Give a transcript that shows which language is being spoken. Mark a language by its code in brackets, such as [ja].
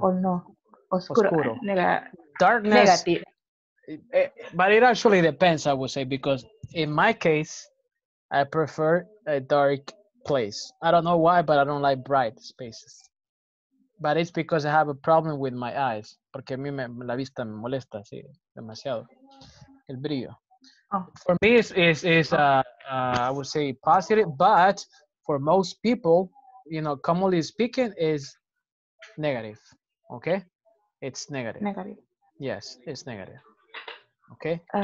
[es] O no. Oscuro. [en] Darkness. Negative. But it actually depends, I would say, because in my case, I prefer a dark place. I don't know why, but I don't like bright spaces. But it's because I have a problem with my eyes. [es] Porque a mí me, la vista me molesta, sí, demasiado. El brillo. Oh. [en] For me, I would say positive, but for most people, you know, commonly speaking, is negative. Okay? It's negative. Negative. Yes, it's negative. Okay?